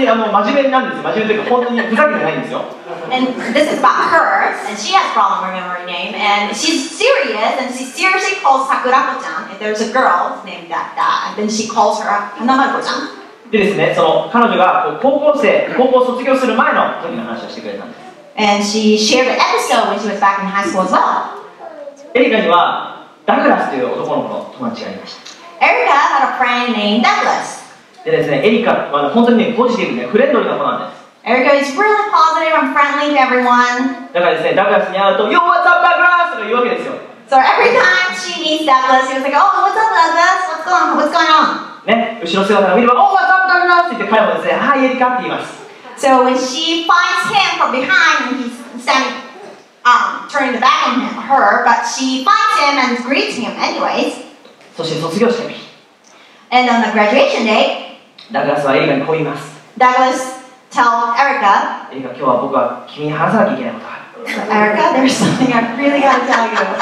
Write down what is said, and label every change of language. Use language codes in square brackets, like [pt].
[ja] そう、名前すぐ間違えちゃうんだよね。なんか、あの、桜子ちゃんは花丸子ちゃんって言っちゃったりとか、彼女は本当に真面目なんです。真面目っていうか、本当にふざけてないんですよ。 [en] And this is about her, and she has problem remembering name, and she's serious, and she seriously calls Sakurako-chan, and there's a girl named that, and then she calls her Hanamaru-chan. [ja] でですね、その彼女が高校生、高校卒業する前の時の話をしてくれたんです。 [en] And she shared an episode when she was back in high school as well. [ja] エリカにはダグラスという男の子の友達がいました。Erika [en] had a friend named Douglas. [ja] でですね、エリカは本当にね、ポジティブで、フレンドリーな子なんです。 [en] Erika is really positive and friendly to everyone. [ja] だからですね、ダグラスに会うと [en] Yo, what's up, Douglas? [ja] と言うわけですよ。 [en] So every time she meets Douglas, she was like, Oh, what's up, Douglas? What's going on? [ja] ね、後ろ姿を見れば [en] Oh, what's up, Douglas? [ja] って言って彼もですね [en] Hi, Erika! [ja] って言います。 [en] So when she finds him from behind, he's standing, turning the back on her, but she finds him and greets him anyways. [ja] そして卒業式の日。 [en] And on the graduation day, [ja] ダグラスはエリカにこう言います。 [en] Douglas Tell Erika. [ja] Erika, 今日は僕は君に話さなきゃいけないことがある。 [en] Erika, there's something I really gotta tell you.